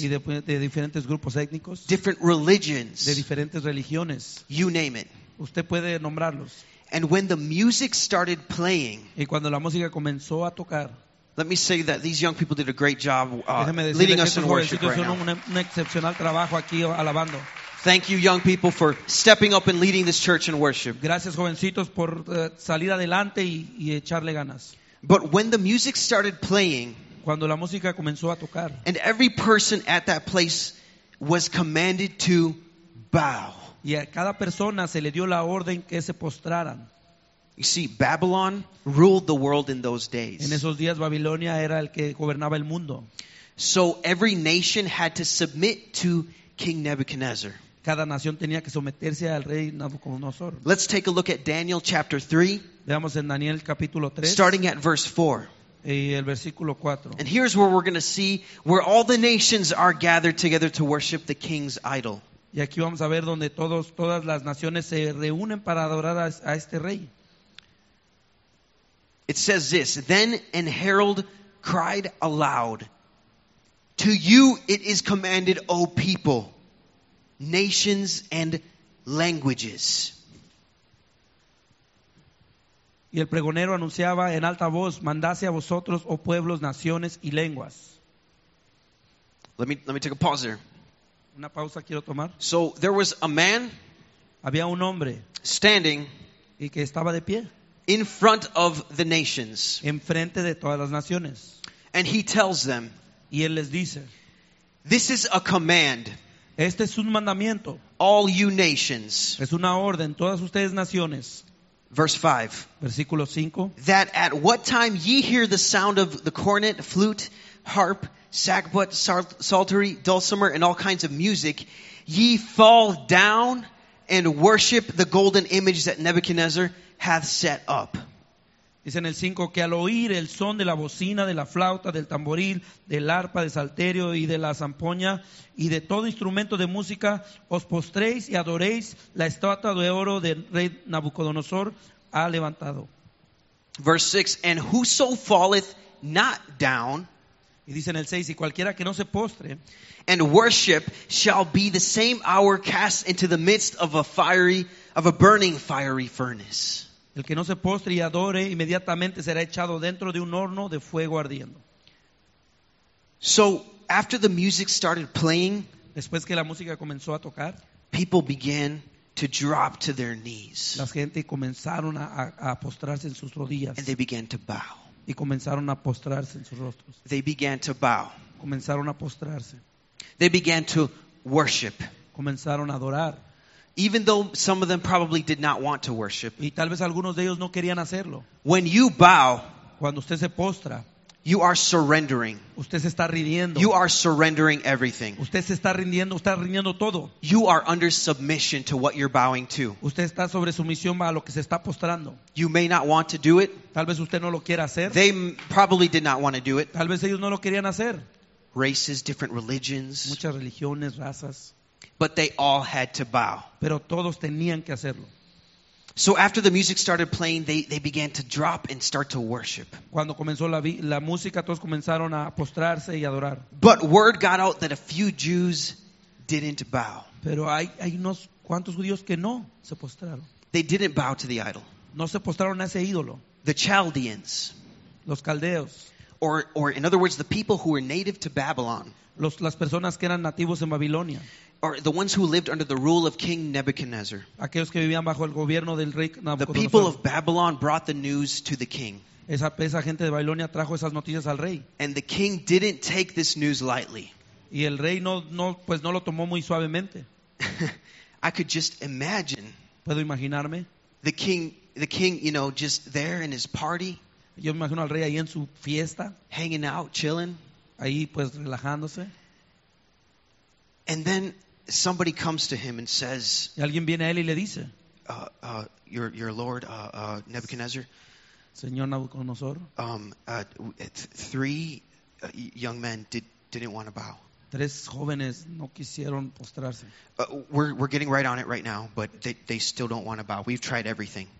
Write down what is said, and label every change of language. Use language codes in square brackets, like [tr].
[es] y de diferentes grupos étnicos, [en] different religions, [es] de diferentes religiones. [en] You name it. [es] Usted puede nombrarlos. [en] And when the music started playing, [es] y cuando la música comenzó a tocar, [en] let me say that these young people did a great job leading us in worship right now. [es] Un excepcional trabajo aquí alabando. [en] Thank you, young people, for stepping up and leading this church in worship. [es] Gracias, jovencitos, por salir adelante y echarle ganas. [en] But when the music started playing, [es] cuando la música comenzó a tocar, [en] and every person at that place was commanded to bow. [es] Y a cada persona se le dio la orden que se postraran. [en] You see, Babylon ruled the world in those days. [es] En esos días, Babilonia era el que gobernaba el mundo. [en] So every nation had to submit to King Nebuchadnezzar. [es] Cada nación tenía que someterse al rey Nabucodonosor. [en] Let's take a look at Daniel chapter 3. [es] Veamos en Daniel capítulo 3. [en] Starting at verse 4. [es] Y el versículo 4. [en] And here's where we're going to see where all the nations are gathered together to worship the king's idol. [es] Y aquí vamos a ver donde todas las naciones se reúnen para adorar a este rey. [en] It says this, then an herald cried aloud, to you it is commanded, O people, nations and languages. [es] Y el pregonero anunciaba en alta voz, mandase a vosotros, oh pueblos, naciones y lenguas. [en] Let me take a pause there. [es] Una pausa quiero tomar. [en] So there was a man, [es] había un hombre, [en] standing, [es] y que estaba de pie, [en] in front of the nations. [es] Enfrente de todas las naciones. [en] And he tells them, [es] y él les dice, [en] this is a command. [es] Este es un mandamiento. [en] All you nations. [es] Es una orden, todas ustedes naciones. [en] Verse 5. [es] Versículo 5. [en] That at what time ye hear the sound of the cornet, flute, harp, sackbut, psaltery, dulcimer, and all kinds of music, ye fall down and worship the golden image that Nebuchadnezzar hath set up. [es] Dice en el 5 que al oír el son de la bocina, de la flauta, del tamboril, del arpa, del salterio y de la zampoña y de todo instrumento de música, os postréis y adoréis la estatua de oro del rey Nabucodonosor ha levantado. [en] Verse 6, and whoso falleth not down, [es] y dice en el 6, y cualquiera que no se postre, [en] and worship shall be the same hour cast into the midst of a burning fiery furnace. [es] El que no se postre y adore inmediatamente será echado dentro de un horno de fuego ardiendo. [en] So after the music started playing, [es] después que la música comenzó a tocar, [en] people began to drop to their knees. [es] La gente comenzaron a postrarse en sus rodillas. [en] And they began to bow. [es] Y comenzaron a postrarse en sus rostros. [en] They began to bow. [es] Comenzaron a postrarse. [en] They began to worship. [es] Comenzaron a adorar. [en] Even though some of them probably did not want to worship. [es] Y tal vez algunos de ellos no querían hacerlo. [en] When you bow, [es] cuando usted se postra, [en] you are surrendering. [es] Usted se está rindiendo. [en] You are surrendering everything. [es] Usted se está rindiendo todo. [en] You are under submission to what you're bowing to. [es] Usted está sobre sumisión a lo que se está postrando. [en] You may not want to do it. [es] Tal vez usted no lo quiera hacer. [en] They probably did not want to do it. [es] Tal vez ellos no lo querían hacer. [en] Races, different religions. [es] Muchas religiones, razas. [en] But they all had to bow. [es] Pero todos tenían que hacerlo. [en] So after the music started playing, they began to drop and start to worship. [es] Cuando comenzó la música, todos comenzaron a postrarse y adorar. [en] But word got out that a few Jews didn't bow. [es] Pero hay unos cuantos judíos que no se postraron. [en] They didn't bow to the idol. [es] No se postraron a ese ídolo. [en] The Chaldeans. [es] Los caldeos. [en] Or in other words, the people who were native to Babylon. [es] Las personas que eran nativos en Babilonia. [en] Or the ones who lived under the rule of King Nebuchadnezzar. [es] Aquellos que vivían bajo el gobierno del rey Nabucodonosor. [en] The people of Babylon brought the news to the king. [es] Esa gente de Babilonia trajo esas noticias al rey. [en] And the king didn't take this news lightly. [es] Y el rey no lo tomó muy suavemente. [en] I could just imagine. [es] Puedo imaginarme. [en] The king, you know, just there in his party. [es] Yo me imagino al rey ahí en su fiesta. [en] Hanging out, chilling. [es] Ahí pues relajándose. [en] And then somebody comes to him and says, [es] y alguien viene a él y le dice, [en] your Lord, Nebuchadnezzar, [es] Señor Nabucodonosor, [en] three young men didn't want to bow. [es] Tres jóvenes no quisieron postrarse. [en] We're getting right on it right now, but they still don't want to bow. We've tried everything.